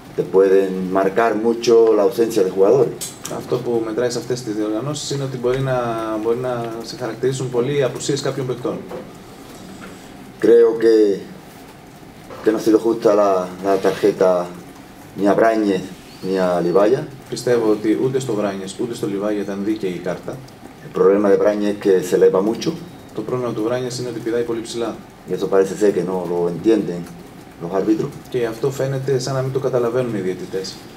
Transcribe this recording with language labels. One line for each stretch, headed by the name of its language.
Spanish: pueden marcar mucho la ausencia de jugadores.
Greek: Αυτό που μετράει σε αυτές τις διοργανώσεις είναι ότι μπορεί να σε χαρακτηρίσουν πολύ οι απουσίες κάποιων παικτών.
Spanish: Creo que no ha sido justa la tarjeta ni a Bráñez ni a Livaya.
Greek: Πιστεύω ότι ούτε στο Bráñez ούτε στο Livaya ήταν δίκαιη η κάρτα.
Spanish: El problema de Bráñez que se eleva mucho.
Greek: Το πρόβλημα του Bráñez είναι ότι πηδάει πολύ ψηλά.
Spanish: Y eso parece ser que no lo entienden.
Greek: Και αυτό φαίνεται σαν να μην το καταλαβαίνουν οι διαιτητές.